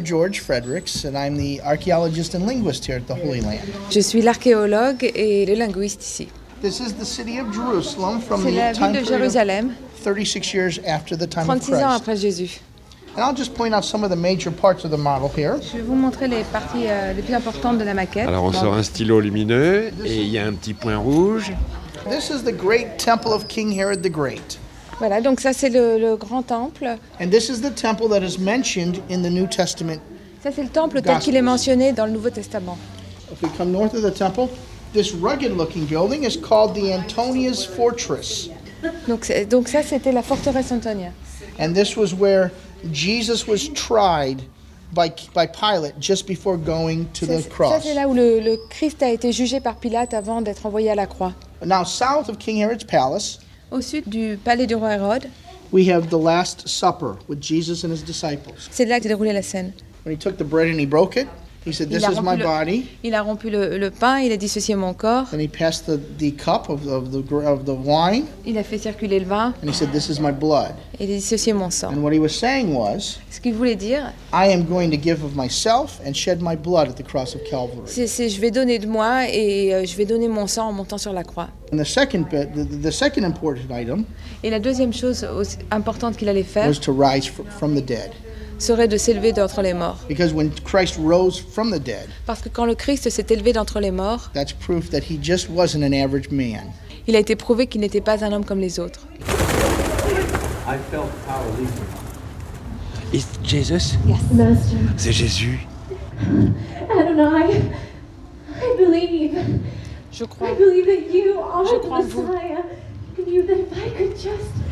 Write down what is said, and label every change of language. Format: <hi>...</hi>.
<en>George Fredericks, and I'm the archaeologist and linguist here at the Holy Land.</en> <fr>Je suis l'archéologue et le linguiste ici.</fr> <en>This is the city of Jerusalem from</en> <fr>c'est</fr> <en>the</en> <fr>la ville</fr> <en>time</en> <fr>de Jérusalem.</fr> <en>Of 36 years after the time of Christ.</en> <fr>36 ans après Jésus.</fr> <en>And I'll just point out some of the major parts of the model here.</en> <fr>Je vais vous montrer les parties les plus importantes de la maquette. Alors, on sort un stylo lumineux et il y a un petit point rouge.</fr> <en>This is the great temple of King Herod the Great.</en> <fr>Voilà, donc ça c'est le grand temple.</fr> <en>And this is the temple that is mentioned in the New Testament.</en> <fr>Ça c'est le temple tel qu'il est mentionné dans le Nouveau Testament.</fr> <en>If we come north of the temple, this rugged-looking building is called the Antonia's Fortress.</en> <fr>Donc ça c'était la forteresse Antonia.</fr> <en>And this was where Jesus was tried by Pilate just before going to the cross.</en> <fr>Ça c'est là où le Christ a été jugé par Pilate avant d'être envoyé à la croix.</fr> <en>Now south of King Herod's palace,</en> <fr>au sud du palais du roi Hérode,</fr> <en>we have the Last Supper with Jesus and his disciples.</en> <fr>C'est là que déroulé la scène.</fr> <en>When he took the bread and he broke it, he said, "This is my body."</en> <fr>Il a rompu le pain. Il a dit, ceci est mon corps.</fr> <en>And he passed the cup of the wine.</en> <fr>Il a fait circuler le vin.</fr> <en>And he said, "This is my blood."</en> <fr>Il a dit, ceci est mon sang.</fr> <en>And what he was saying was,</en> <fr>ce qu'il voulait dire,</fr> <en>I am going to give of myself and shed my blood at the cross of Calvary.</en> <fr>C'est je vais donner de moi et je vais donner mon sang en montant sur la croix.</fr> <en>And the second important item.</en> <fr>Et la deuxième chose importante qu'il allait faire</fr> <en>was to rise from the dead.</en> <fr>Serait de s'élever d'entre les morts.</fr> <en>Because when Christ rose from the dead,</en> <fr>parce que quand le Christ s'est élevé d'entre les morts,</fr> <en>that's proof that he just wasn't an average man.</en> <fr>Il a été prouvé qu'il n'était pas un homme comme les autres.</fr> <en>I felt power leaving. Is Jesus? Yes, Master.</en> <fr>C'est Jésus.</fr> <en>Adonai, I believe.</en> <fr>Je crois.</fr> <en>I believe that you are the Messiah. Vous. And you that if I could just.</en>